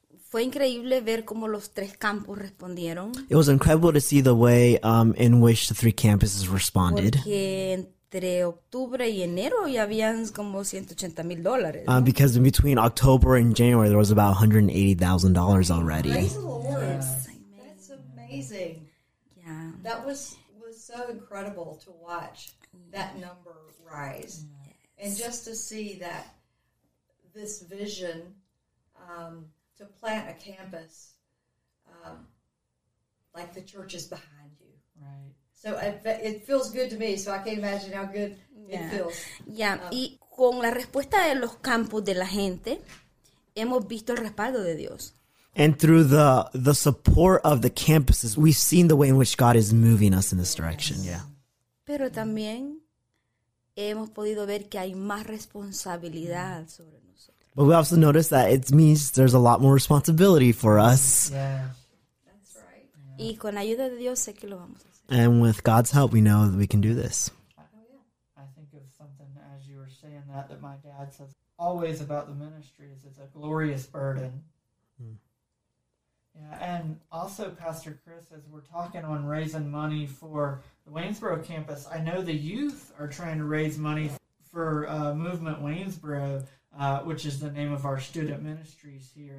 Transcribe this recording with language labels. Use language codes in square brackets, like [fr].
[es] Fue increíble ver cómo los tres campos respondieron. [en] It was incredible to see the way in which the three campuses responded. [es] Porque entre octubre y enero ya habían como $180,000. ¿No? [en] Because in between October and January there was about $180,000 already. Praise the Lord. Yeah. That's amazing. Yeah. That was so incredible to watch that number rise. Yes. And just to see that this vision to plant a campus like the church is behind you. Right. So it feels good to me, so I can't imagine how good yeah. it feels. [es] Yeah, y con la respuesta de los campos de la gente, hemos visto el respaldo de Dios. [en] And through the support of the campuses, we've seen the way in which God is moving us in this direction, yes. Yeah. [es] Pero también hemos podido ver que hay más responsabilidad mm-hmm. sobre nosotros. [en] But we also notice that it means there's a lot more responsibility for us. Yeah, that's right. [es] Yeah. Y con ayuda de Dios sé que lo vamos a hacer. [en] And with God's help, we know that we can do this. I think of something as you were saying that my dad says always about the ministry is it's a glorious burden. Yeah, and also, Pastor Chris, as we're talking on raising money for the Waynesboro campus, I know the youth are trying to raise money for Movement Waynesboro, which is the name of our student ministries here.